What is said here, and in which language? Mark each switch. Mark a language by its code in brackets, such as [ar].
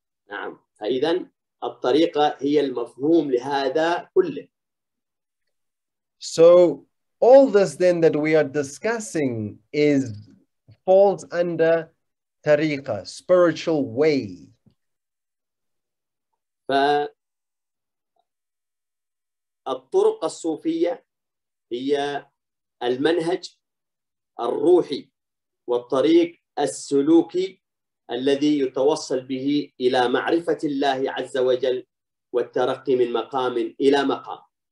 [ar] نعم. فإذن الطريقة هي المفهوم لهذا كله. [en] So all this then that we are discussing falls under tariqah, spiritual way. [ar] فالطرق الصوفية هي المنهج الروحي والطريق السلوكي الذي يتوصل به إلى معرفة الله عز وجل والترقي من مقام إلى مقام.